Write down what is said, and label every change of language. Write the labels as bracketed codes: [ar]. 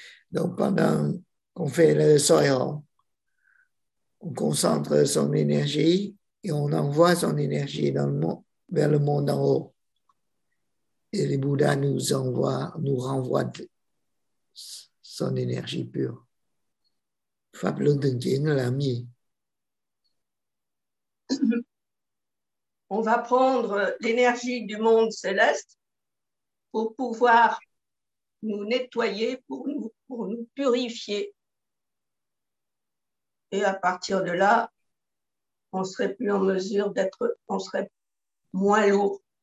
[fr] Donc pendant qu'on fait le soin, on concentre son énergie et on envoie son énergie dans le monde, vers le monde en haut. Et le Bouddha nous envoie, nous renvoie son énergie pure. [vi] Pháp luân thường chuyển là gì? [fr] On va prendre l'énergie du monde céleste pour pouvoir nous nettoyer, pour nous purifier. Et à partir de là, on serait plus en mesure d'être, on serait moins lourd.